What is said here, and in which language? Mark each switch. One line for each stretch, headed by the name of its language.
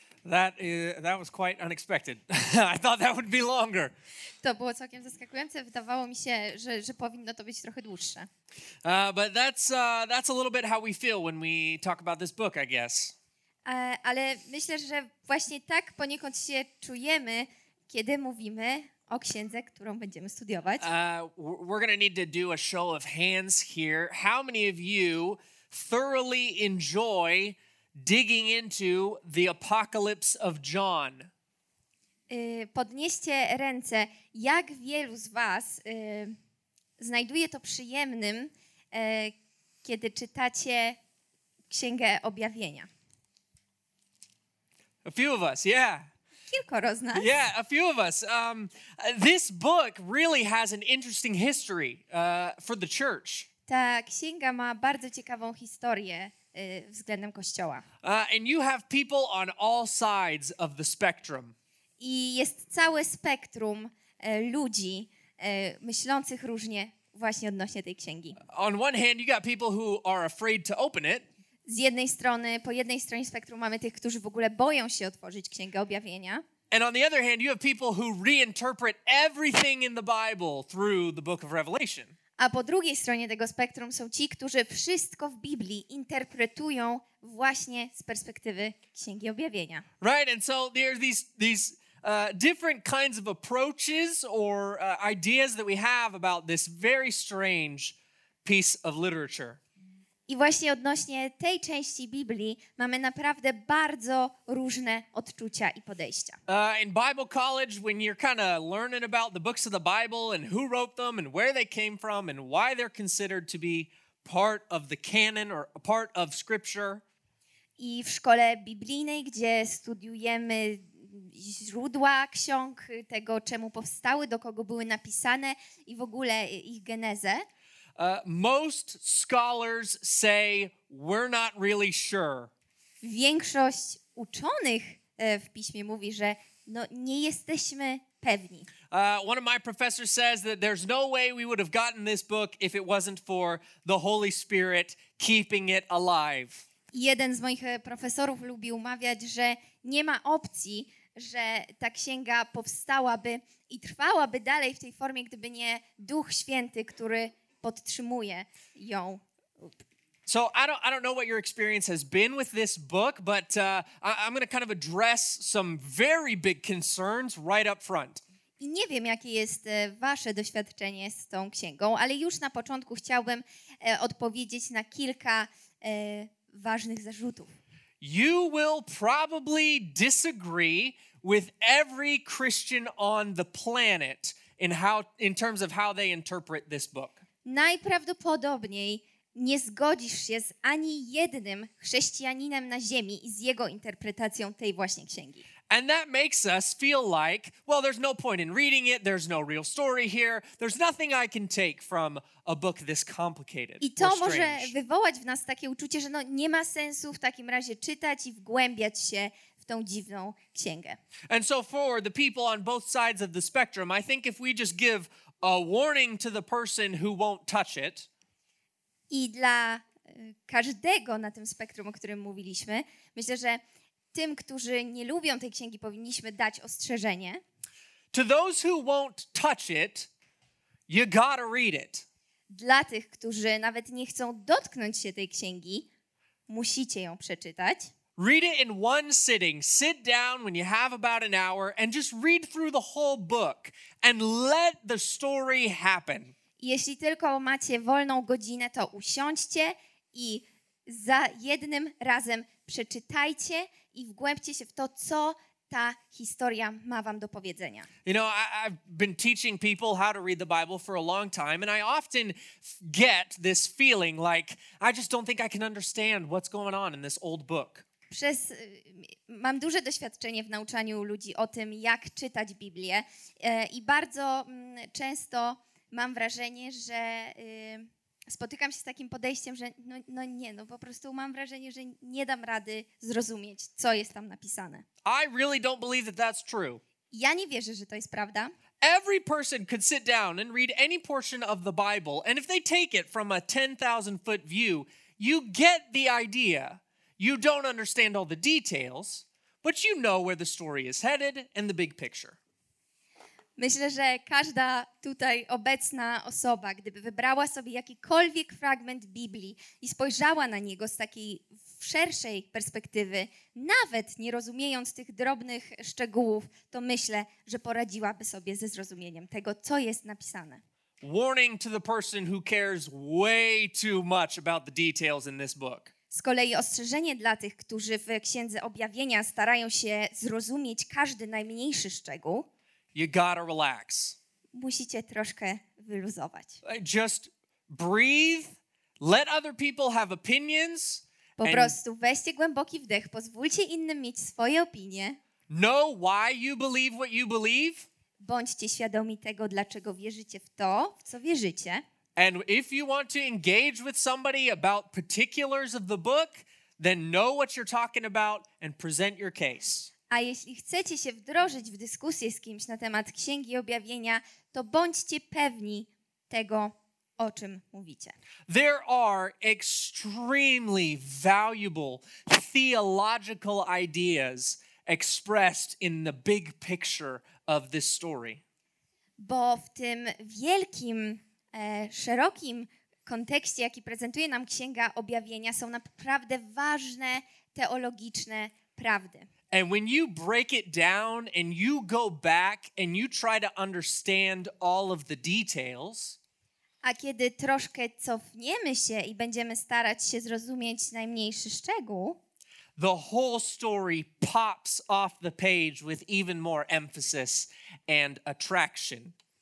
English: That was quite unexpected. I thought that would be longer.
Polish: To było całkiem zaskakujące. Wydawało mi się, że powinno to być trochę dłuższe.
English: But that's a little bit how we feel when we talk about this book, I guess.
Polish: Ale myślę, że właśnie tak poniekąd się czujemy, kiedy mówimy o księdze, którą będziemy studiować.
English: We're going to need to do a show of hands here. How many of you thoroughly enjoy digging into the apocalypse of John?
Polish: Podnieście ręce, jak wielu z was znajduje to przyjemnym, kiedy czytacie Księgę Objawienia?
English: A few of us, yeah.
Polish: Kilkoro z nas.
English: Yeah, a few of us. This book really has an interesting history for the church.
Polish: Ta księga ma bardzo ciekawą historię względem Kościoła.
English: And you have people on all sides of the spectrum.
Polish: I jest całe spektrum ludzi myślących różnie właśnie odnośnie tej księgi.
English: On one hand, you got people who are afraid to open it.
Polish: Z jednej strony, po jednej stronie spektrum mamy tych, którzy w ogóle boją się otworzyć Księgę Objawienia.
English: And on the other hand, you have people who reinterpret everything in the Bible through the book of Revelation.
Polish: A po drugiej stronie tego spektrum są ci, którzy wszystko w Biblii interpretują właśnie z perspektywy Księgi Objawienia.
English: Right, and so there are these different kinds of approaches or ideas that we have about this very strange piece of literature.
Polish: I właśnie odnośnie tej części Biblii mamy naprawdę bardzo różne odczucia i podejścia.
English: In Bible college, when you're kind of learning about the books of the Bible and who wrote them and where they came from and why they're considered to be part of the canon or part of scripture.
Polish: I w szkole biblijnej, gdzie studiujemy źródła ksiąg, tego czemu powstały, do kogo były napisane i w ogóle ich genezę.
English: Most scholars say we're not really sure.
Polish: Większość uczonych w piśmie mówi, że no nie jesteśmy pewni.
English: One of my professors says that there's no way we would have gotten this book if it wasn't for the Holy Spirit keeping it alive.
Polish: Jeden z moich profesorów lubi umawiać, że nie ma opcji, że ta księga powstałaby i trwałaby dalej w tej formie, gdyby nie Duch Święty, który podtrzymuje ją.
English: So I don't know what your experience has been with this book, but I'm going to kind of address some very big concerns right up front.
Polish: I nie wiem, jakie jest wasze doświadczenie z tą księgą, ale już na początku chciałbym odpowiedzieć na kilka ważnych zarzutów.
English: You will probably disagree with every Christian on the planet in terms of how they interpret this book.
Polish: Najprawdopodobniej nie zgodzisz się z ani jednym chrześcijaninem na ziemi i z jego interpretacją tej właśnie księgi.
English: And that makes us feel like, well, there's no point in reading it, there's no real story here, there's nothing I can take from a book this complicated.
Polish: I to może wywołać w nas takie uczucie, że no nie ma sensu w takim razie czytać i wgłębiać się w tą dziwną księgę.
English: And so for the people on both sides of the spectrum, I think if we just give a warning to the person who won't touch it.
Polish: I dla każdego na tym spektrum, o którym mówiliśmy, myślę, że tym, którzy nie lubią tej księgi, powinniśmy dać ostrzeżenie.
English: To those who won't touch it, you gotta read it.
Polish: Dla tych, którzy nawet nie chcą dotknąć się tej księgi, musicie ją przeczytać.
English: Read it in one sitting. Sit down when you have about an hour and just read through the whole book and let the story happen.
Polish: Jeśli tylko macie wolną godzinę, to usiądźcie i za jednym razem przeczytajcie i wgłębcie się w to, co ta historia ma wam do powiedzenia.
English: You know, I've been teaching people how to read the Bible for a long time, and I often get this feeling like I just don't think I can understand what's going on in this old book.
Polish: Mam duże doświadczenie w nauczaniu ludzi o tym, jak czytać Biblię, i bardzo często mam wrażenie, że spotykam się z takim podejściem, że no po prostu mam wrażenie, że nie dam rady zrozumieć, co jest tam napisane.
English: I really don't believe that that's true.
Polish: Ja nie wierzę, że to jest prawda.
English: Every person could sit down and read any portion of the Bible, and if they take it from a 10,000 foot view, you get the idea. You don't understand all the details, but you know where the story is headed and the big picture.
Polish: Myślę, że każda tutaj obecna osoba, gdyby wybrała sobie jakikolwiek fragment Biblii i spojrzała na niego z takiej szerszej perspektywy, nawet nie rozumiejąc tych drobnych szczegółów, to myślę, że poradziłaby sobie ze zrozumieniem tego, co jest napisane.
English: Warning to the person who cares way too much about the details in this book.
Polish: Z kolei ostrzeżenie dla tych, którzy w Księdze Objawienia starają się zrozumieć każdy najmniejszy szczegół.
English: You gotta relax.
Polish: Musicie troszkę wyluzować.
English: Just breathe, let other people have opinions.
Polish: Po prostu weźcie głęboki wdech, pozwólcie innym mieć swoje opinie.
English: Know why you believe what you believe.
Polish: Bądźcie świadomi tego, dlaczego wierzycie w to, w co wierzycie.
English: And if you want to engage with somebody about particulars of the book, then know what you're talking about and present your case.
Polish: A jeśli chcecie się wdrożyć w dyskusję z kimś na temat Księgi Objawienia, to bądźcie pewni tego, o czym mówicie.
English: There are extremely valuable theological ideas expressed in the big picture of this story.
Polish: Bo w tym wielkim, szerokim kontekście, jaki prezentuje nam Księga Objawienia, są naprawdę ważne teologiczne prawdy.
English: And when you break it down and you go back and you try to understand all of the details,
Polish: a kiedy troszkę cofniemy się i będziemy starać się zrozumieć najmniejszy szczegół,
English: the whole story pops off the page with even more emphasis and attraction.